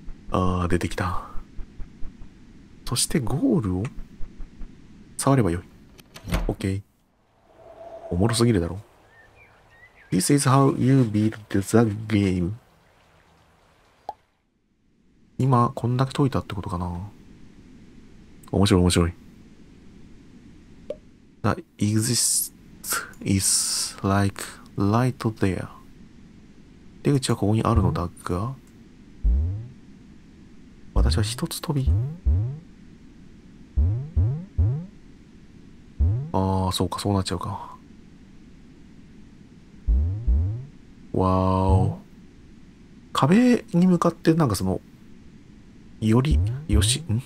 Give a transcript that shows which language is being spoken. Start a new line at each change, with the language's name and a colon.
Japanese: あー、出てきた。そしてゴールを触ればよい。 OK。 おもろすぎるだろ。
English: This is how you build the game.
Japanese: 今、こんだけ解いたってことかな。面白い面白い。
English: The exit is like right there.
Japanese: 出口はここにあるのだが、私は一つ飛び。ああ、そうか、そうなっちゃうか。わーお。壁に向かって、なんかその、より、よし、ん?